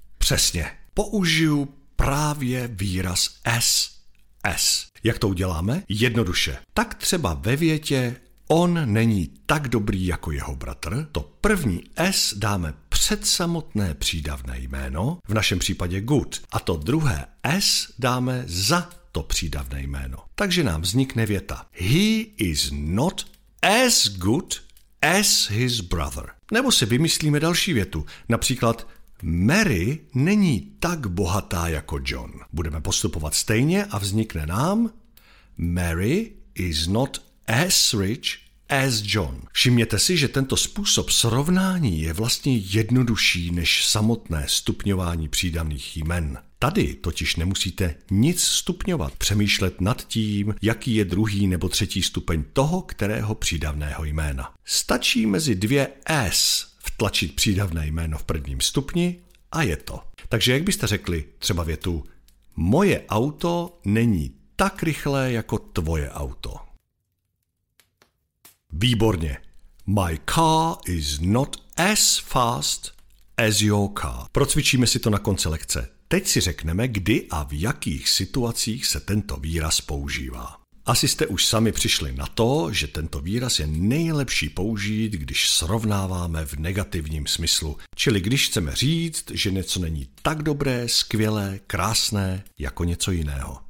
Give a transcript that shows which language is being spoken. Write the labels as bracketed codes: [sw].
[cs] Přesně, použiju právě výraz SS. Jak to uděláme? Jednoduše. Tak třeba ve větě on není tak dobrý jako jeho bratr, to první S dáme před samotné přídavné jméno, v našem případě good, a to druhé S dáme za to přídavné jméno. Takže nám vznikne věta. [en] He is not as good as his brother. [cs] Nebo si vymyslíme další větu, například Mary není tak bohatá jako John. Budeme postupovat stejně a vznikne nám [en] Mary is not as rich as John. [cs] Všimněte si, že tento způsob srovnání je vlastně jednodušší než samotné stupňování přídavných jmen. Tady totiž nemusíte nic stupňovat, přemýšlet nad tím, jaký je druhý nebo třetí stupeň toho, kterého přídavného jména. Stačí mezi dvě S tlačit přídavné jméno v prvním stupni a je to. Takže jak byste řekli třeba větu moje auto není tak rychlé jako tvoje auto. Výborně. [en] My car is not as fast as your car. [cs] Procvičíme si to na konci lekce. Teď si řekneme, kdy a v jakých situacích se tento výraz používá. Asi jste už sami přišli na to, že tento výraz je nejlepší použít, když srovnáváme v negativním smyslu. Čili když chceme říct, že něco není tak dobré, skvělé, krásné, jako něco jiného.